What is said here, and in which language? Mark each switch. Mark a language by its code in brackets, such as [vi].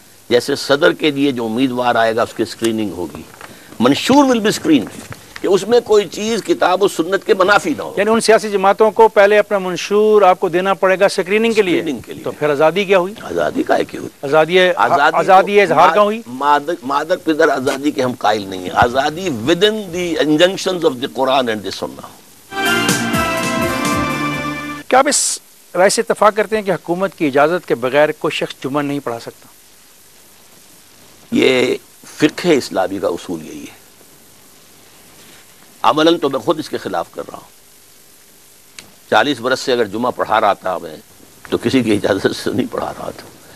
[ur] جیسے صدر کے لیے جو امیدوار آئے گا اس کی اسکریننگ ہوگی, منشور [en] will be screen, [ur] کہ اس میں کوئی چیز کتاب و سنت کے منافی نہ ہو. یعنی ان سیاسی جماعتوں کو پہلے اپنا منشور آپ کو دینا پڑے گا سکریننگ کے لیے. تو پھر آزادی کیا ہوئی؟ آزادی کا ہے کی ہوئی آزادی اظہار کا ہوئی. مادر پدر آزادی کے ہم قائل نہیں ہیں. [en] آزادی within the injunctions of the Quran and the Sunnah. [ur] کیا آپ اس رائے سے اتفاق کرتے ہیں کہ حکومت کی اجازت کے بغیر کوئی شخص جمعہ نہیں پڑھا سکتا؟ یہ فقہ اسلامی کا اصول یہی ہے. عملاً تو میں خود اس کے خلاف کر رہا ہوں. 40 برس سے اگر جمعہ پڑھا رہا تھا میں تو کسی کی اجازت سے نہیں پڑھا رہا تھا.